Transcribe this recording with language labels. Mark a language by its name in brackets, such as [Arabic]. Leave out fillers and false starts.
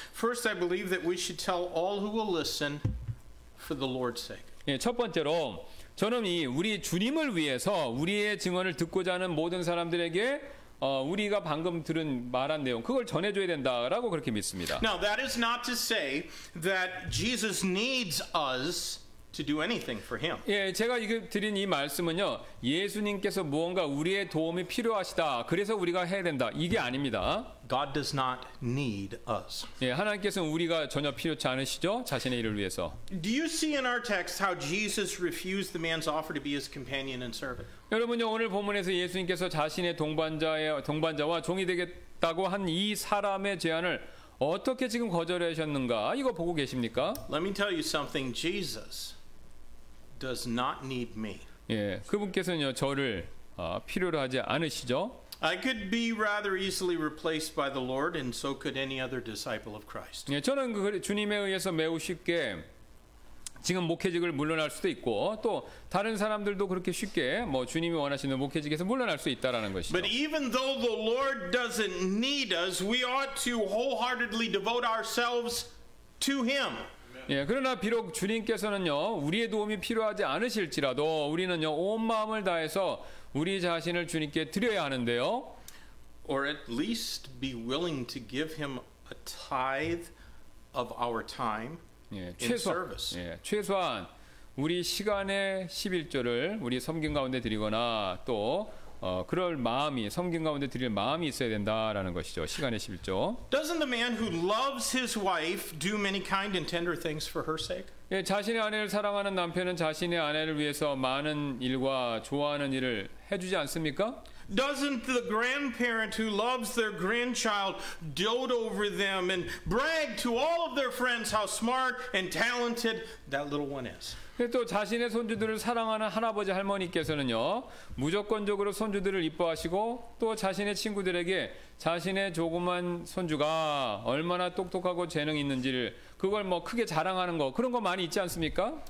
[English] First, I believe that we should tell all who will listen for the Lord's sake. [Korean] 예, 첫 번째로 저는 이 우리 주님을 위해서 우리의 증언을 듣고자 하는 모든 사람들에게 우리가 방금 들은 말한 내용 그걸 전해줘야 된다라고 그렇게 믿습니다. [English] Now that is not to say that Jesus needs us to do anything for him. [Korean] 예, 제가 드린 이 말씀은요, 예수님께서 무언가 우리의 도움이 필요하시다. 그래서 우리가 해야 된다. 이게 아닙니다. [English] God does not need us. [Korean] 예, 하나님께서는 우리가 전혀 필요치 않으시죠, 자신의 일을 위해서. [English] Do you see in our text how Jesus refused the man's offer to be his companion and servant? [Korean] 여러분요, 오늘 본문에서 예수님께서 자신의 동반자와 종이 되겠다고 한 이 사람의 제안을 어떻게 지금 거절하셨는가 이거 보고 계십니까? [English] Let me tell you something. Jesus does not need me. [Korean] 예, 그분께서는요 저를 필요로 하지 않으시죠. [English] I could be rather easily replaced by the Lord, and so could any other disciple of Christ. [Korean] 예, 저는 주님에 의해서 매우 쉽게 지금 목회직을 물러날 수도 있고 또 다른 사람들도 그렇게 쉽게 뭐 주님이 원하시는 목회직에서 물러날 수 있다라는 것이죠. [English] But even though the Lord doesn't need us, we ought to wholeheartedly devote ourselves to him. [Korean] 예, 그러나 비록 주님께서는요 우리의 도움이 필요하지 않으실지라도 우리는요 온 마음을 다해서 우리 자신을 주님께 드려야 하는데요. [English] Or at least be willing to give him a tithe of our time. [Korean] 예, 최소한 우리 시간의 십일조를 우리 섬김 가운데 드리거나 또 그럴 마음이 섬김 가운데 드릴 마음이 있어야 된다라는 것이죠. 시간의 십일조. [English] Doesn't the man who loves his wife do many kind and tender things for her sake? [Korean] 예, 자신의 아내를 사랑하는 남편은 자신의 아내를 위해서 많은 일과 좋아하는 일을 해주지 않습니까? [English] Doesn't the grandparent who loves their grandchild dote over them and brag to all of their friends how smart and talented that little one is? [Korean] 또 자신의 손주들을 사랑하는 할아버지 할머니께서는요 무조건적으로 손주들을 이뻐하시고 또 자신의 친구들에게 자신의 조그만 손주가 얼마나 똑똑하고 재능 있는지를 그걸 뭐 크게 자랑하는 거 그런 거 많이 있지 않습니까?